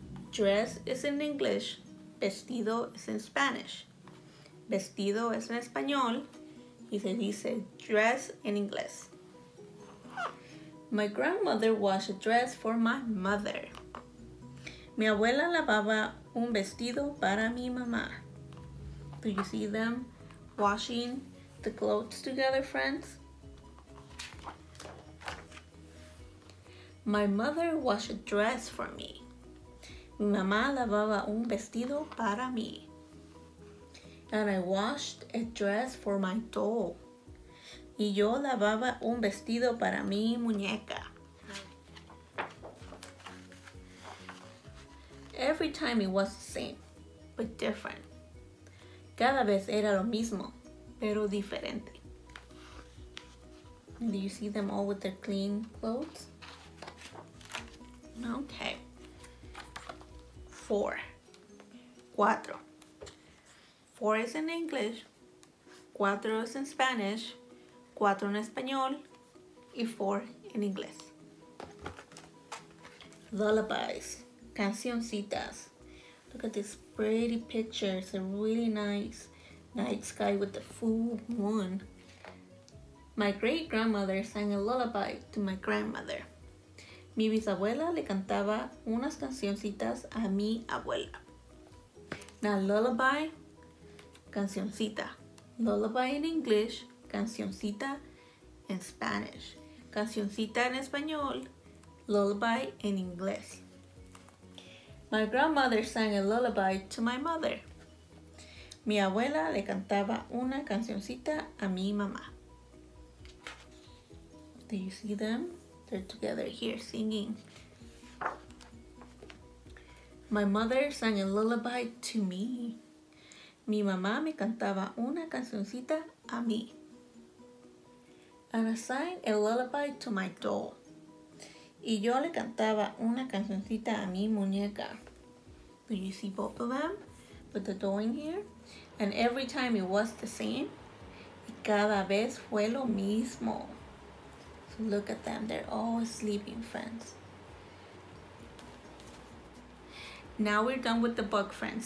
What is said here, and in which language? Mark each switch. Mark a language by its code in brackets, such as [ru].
[en] Dress is in English, vestido is in Spanish. [es] Vestido es en español y se dice [en] dress in English. My grandmother washed a dress for my mother. [es] Mi abuela lavaba un vestido para mi mamá. [en] Do you see them washing the clothes together, friends? My mother washed a dress for me. [es] Mi mamá lavaba un vestido para mí. [en] And I washed a dress for my doll. [es] Y yo lavaba un vestido para mi muñeca. [en] Every time it was the same, but different. [es] Cada vez era lo mismo, pero diferente. [en] Do you see them all with their clean clothes? Okay. Four. Cuatro. Four is in English. Cuatro is in Spanish. [es] Cuatro en español. Y [en] four in English. Lullabies. Cancioncitas. Look at this pretty picture. It's a really nice night sky with the full moon. My great grandmother sang a lullaby to my grandmother. [es] Mi bisabuela le cantaba unas cancioncitas a mi abuela. [en] Now, lullaby, cancioncita. Lullaby in English, cancioncita in Spanish. [es] Cancioncita en español, [en] lullaby in English. My grandmother sang a lullaby to my mother. [es] Mi abuela le cantaba una cancioncita a mi mamá. [en] Do you see them? They're together here singing. My mother sang a lullaby to me. [es] Mi mamá me cantaba una cancioncita a mí. [en] And I sang a lullaby to my doll. [es] Y yo le cantaba una cancioncita a mi muñeca. [en] Do you see both of them with the doll in here? And every time it was the same, [es] y cada vez fue lo mismo. [en] Look at them, they're all sleeping, friends. Now we're done with the book, friends.